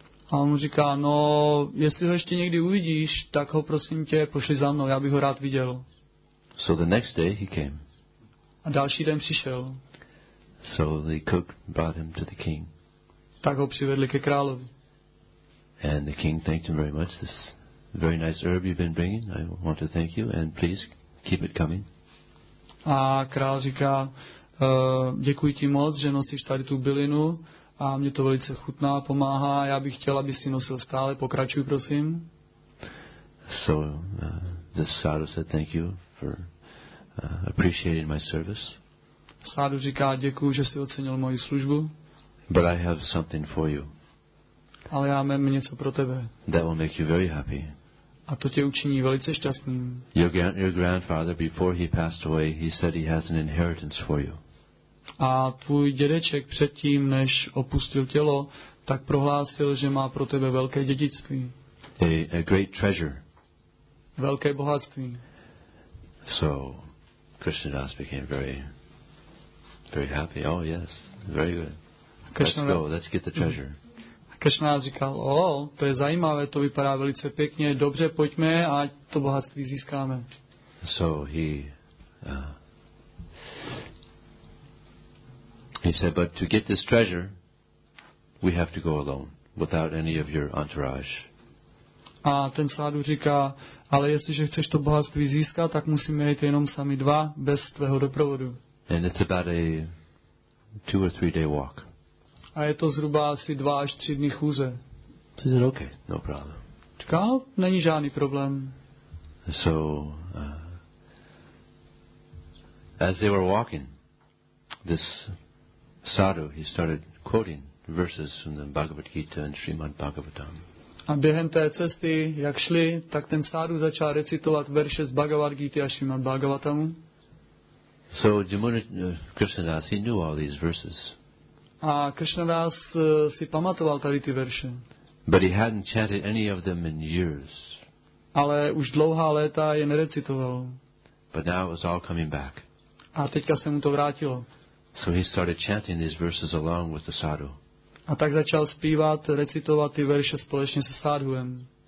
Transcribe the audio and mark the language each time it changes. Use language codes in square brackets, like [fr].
[cs] A on mu říká, no, jestli ho ještě někdy uvidíš, tak ho prosím tě, pošli za mnou, já bych ho rád viděl. [en] So the next day he came. [cs] A další den přišel. [en] So the cook brought him to the king. [cs] Tak ho přivedli ke královi. [en] And the king thanked him very much, this very nice herb you've been bringing, I want to thank you, and please keep it coming. [cs] A král říká, děkuji ti moc, že nosíš tady tu bylinu, a mě to velice chutná, pomáhá, já bych chtěl, aby si nosil stále, pokračuj, prosím. [en] So, the sadhu said thank you for appreciating my service. [cs] Sadhu říká, děkuji, že jsi ocenil moji službu. [en] But I have something for you. [cs] Ale já mám něco pro tebe. [en] That will make you very happy. [cs] A to tě učiní velice šťastným. [en] Your grandfather, before he passed away, he said he has an inheritance for you. [cs] A tvůj dědeček předtím, než opustil tělo, tak prohlásil, že má pro tebe velké dědictví. [en] A great treasure. [cs] Velké bohatství. [en] So, Krishnadas became very, very happy. Oh yes, very good. Let's go, let's get the treasure. [cs] Krishna říkal, o, to je zajímavé, to vypadá velice pěkně, dobře, pojďme a to bohatství získáme. [en] So he said, but to get this treasure, we have to go alone, without any of your entourage. [cs] A ten sádhu říká, ale jestliže chceš to bohatství získat, tak musíme jít jenom sami dva, bez tvého doprovodu. [en] And it's about a 2 or 3 day walk. [cs] A je to zhruba asi 2 až 3 dny chůze. To je [en] okay, no problem. [cs] Říká, no, není žádný problém. [en] So, as they were walking, this sadhu, he started quoting verses from the Bhagavad Gita and Srimad Bhagavatam. [cs] A během té cesty, jak šli, tak ten sadhu začal recitovat verše z Bhagavad Gita a Srimad Bhagavatamu. [en] So, Jamuna Krishnadas, he knew all these verses. [cs] A Krishnadas si pamatoval tady ty verše. [en] But he hadn't chanted any of them in years. [cs] Ale už dlouhá léta je nerecitoval. [en] But now it was all coming back. [cs] A teďka se mu to vrátilo. [en] So he started chanting these verses along with the sadhu. [cs] A tak začal zpívat, recitovat ty verše společně se sadhuem.